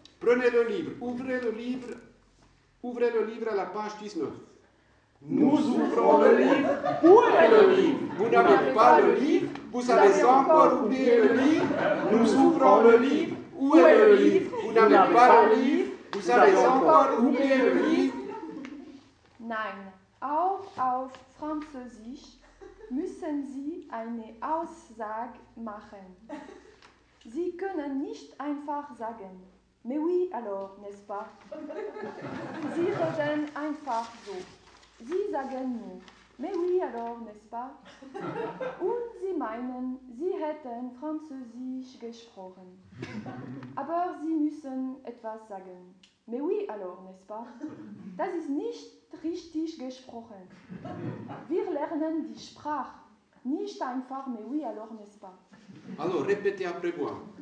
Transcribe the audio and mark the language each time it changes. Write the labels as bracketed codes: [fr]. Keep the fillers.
[fr] Prenez le livre, ouvrez le livre, ouvrez le livre à la page 19. Nous ouvrons le livre, où est, est le livre Vous n'avez, n'avez pas, pas le livre, le livre. Vous, vous avez encore oublié le livre. Nous, le livre. Nous ouvrons le livre, où, où est, est le livre Vous n'avez pas le livre, vous avez encore oublié le livre. [de] Auch auf Französisch müssen Sie eine Aussage machen. Sie können nicht einfach sagen, [fr] mais oui, alors, n'est-ce pas? [de] Sie reden einfach so. Sie sagen nur, [fr] mais oui, alors, n'est-ce pas? [de] Und Sie meinen, Sie hätten Französisch gesprochen. Aber Sie müssen etwas sagen. [fr] Mais oui, alors, n'est-ce pas [de] Das ist nicht richtig gesprochen. Wir lernen die Sprache. Nicht einfach, [fr] mais oui, alors, n'est-ce pas Alors, répétez après moi.